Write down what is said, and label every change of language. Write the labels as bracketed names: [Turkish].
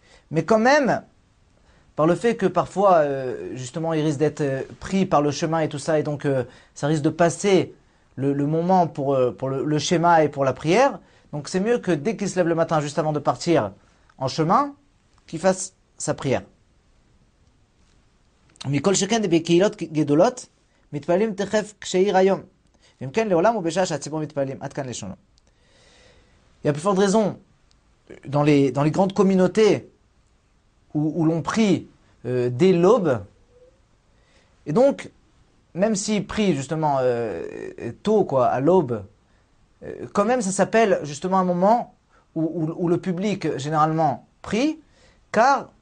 [French] Mais quand même, par le fait que parfois, justement, ils risquent d'être pris par le chemin et tout ça, et donc ça risque de passer le moment pour le schéma et pour la prière. Donc c'est mieux que dès qu'il se lève le matin, juste avant de partir en chemin, qu'il fasse sa prière. [Hebrew] ומכל שכן בקהילות גדולות, מתפללים תכף כשעיר היום. ואם כן, לעולם הוא בשעה שהציבור מתפללים. עד כאן לשונו. [French] Il y a plus forte raison, dans les grandes communautés où l'on prie dès l'aube, et donc, même s'il prie justement tôt, quoi, à l'aube, quand même ça s'appelle justement un moment où le public généralement prie, car.